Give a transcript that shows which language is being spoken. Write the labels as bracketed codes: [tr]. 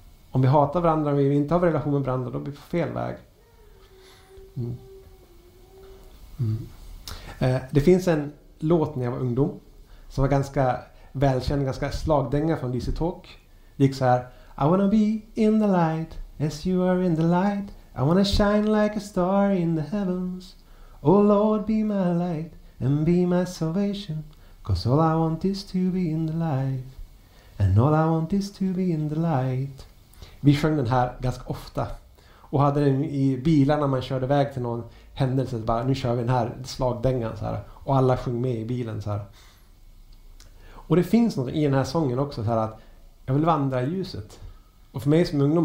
[sv] Om vi hatar varandra och vi inte har en relation med varandra då är vi på fel väg. Det finns en låt när jag var ungdom som var ganska välkänd, ganska slagdänga från DC Talk. Det gick så här: [en] I wanna be in the light as you are in the light. I wanna shine like a star in the heavens. Oh Lord, be my light and be my salvation. 'Cause all I want is to be in the light. And all I want is to be in the light. [sv] Vi sjöng den här ganska ofta. Och hade den i bilarna när man körde iväg till någon händelse. Bara, nu kör vi den här slagdängan. Så här, och alla sjöng med i bilen. Så här. Och det finns något i den här sången också. Så här, att jag vill vandra i ljuset. Och för mig som ungdom.